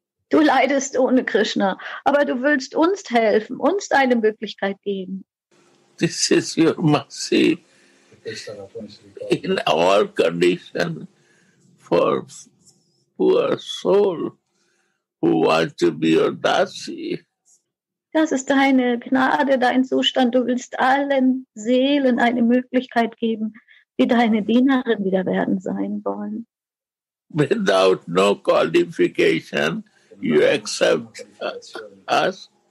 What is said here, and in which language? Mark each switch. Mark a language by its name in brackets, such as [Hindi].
[German] Du leidest ohne Krishna, aber du willst uns helfen, uns deine Möglichkeit geben. [English] This is your mercy in all conditions for poor soul who wants to be your dasi. [German] Das ist deine Gnade, dein Zustand. Du willst allen Seelen eine Möglichkeit geben, die deine Dienerin wieder werden sein wollen. [English] Without no qualification, you accept us.